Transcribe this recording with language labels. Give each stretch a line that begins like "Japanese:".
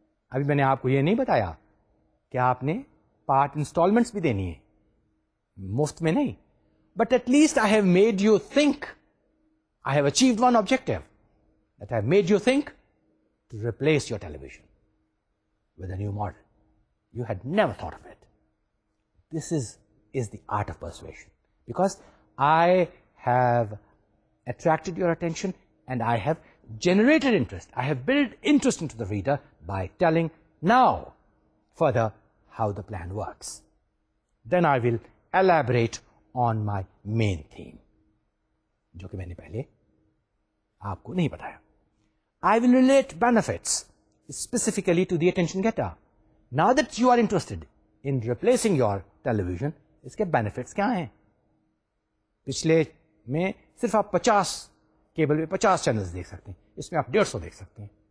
Urdu: ابھی میں نے آپ کو یہ نہیں بتایا کہ آپ نے پارٹ انسٹالمنٹس بھی دینی ہے, مفت میں نہیں.
English: But at least I have made you think, I have achieved one objective, that I have made you think to replace your television with a new model. You had never thought of it. This is the art of persuasion. Because I have attracted your attention and I have generated interest. I have built interest into the reader by telling now further how the plan works. Then I will elaborate on my main theme.
Urdu: جو کہ میں نے پہلے آپ کو نہیں بتایا.
English: I will relate benefits specifically to the attention getter. Now that you are interested in replacing your television,
Urdu: اس کے benefits کیا ہیں؟ پچھلے میں صرف آپ 50 کیبل میں 50 چینلز دیکھ سکتے ہیں, اس میں آپ 150 دیکھ سکتے ہیں.